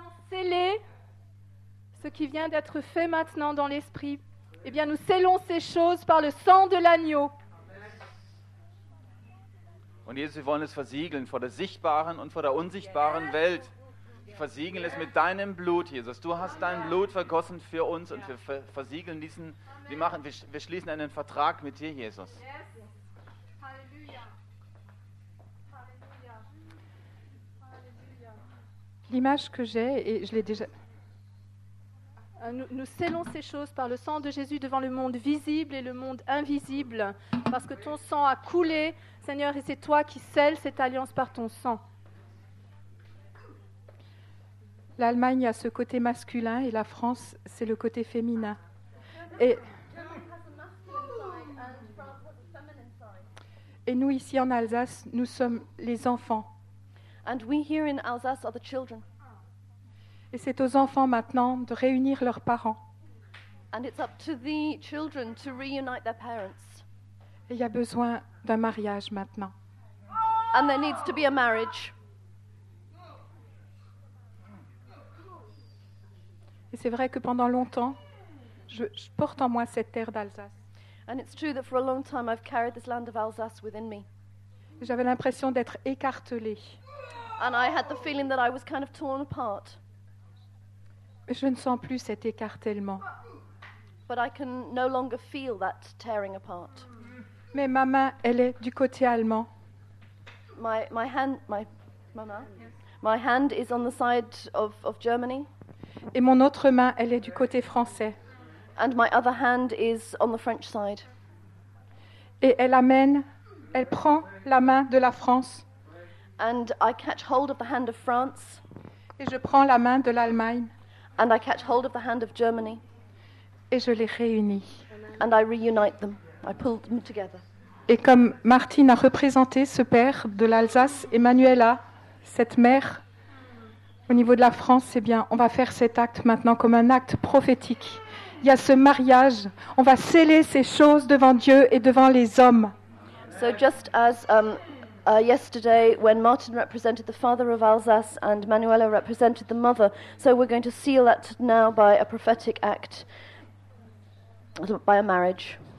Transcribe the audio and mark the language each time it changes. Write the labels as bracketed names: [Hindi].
[French] Sceller ce qui vient d'être fait maintenant dans l'esprit. Eh bien, nous scellons ces choses par le sang de l'agneau. [German] Und Jesus, wir wollen es versiegeln vor der sichtbaren und vor der unsichtbaren Welt. Versiegeln es mit deinem Blut, Jesus. Du hast dein Blut vergossen für uns und wir versiegeln diesen, wir schließen einen Vertrag mit dir, Jesus. [French] L'image que j'ai et je l'ai déjà. Nous scellons ces choses par le sang de Jésus devant le monde visible et le monde invisible, parce que ton sang a coulé, Seigneur, et c'est toi qui scelles cette alliance par ton sang. L'Allemagne a ce côté masculin et la France, c'est le côté féminin. Et nous, ici en Alsace, nous sommes les enfants. [English] And we here in Alsace are the children. [French] Et c'est aux enfants maintenant de réunir leurs parents. [English] And it's up to the children to reunite their parents. [French] Et il y a besoin d'un mariage maintenant. [English] And there needs to be a marriage. [French] Et c'est vrai que pendant longtemps, je porte en moi cette terre d'Alsace. [English] And it's true that for a long time I've carried this land of Alsace within me. [French] Et j'avais l'impression d'être écartelée. [English] And I had the feeling that I was kind of torn apart. [French] Je ne sens plus cet écartèlement. [English] But I can no longer feel that tearing apart. [French] Mais ma main, elle est du côté allemand. [English] My hand is on the side of Germany. [French] Et mon autre main, elle est du côté français. [English] And my other hand is on the French side. [French] Et elle prend la main de la France. [English] And I catch hold of the hand of France. [French] Et je prends la main de l'Allemagne. [English] And I catch hold of the hand of Germany. [French] Et je les réunis. [English] And I reunite them. I pull them together. [French] Et comme Martine a représenté ce père de l'Alsace, Emmanuela, cette mère, au niveau de la France, eh bien, on va faire cet acte maintenant comme un acte prophétique. Il y a ce mariage. On va sceller ces choses devant Dieu et devant les hommes. [English] So just as yesterday, when Martin represented the father of Alsace and Manuela represented the mother, so we're going to seal that now by a prophetic act, by a marriage.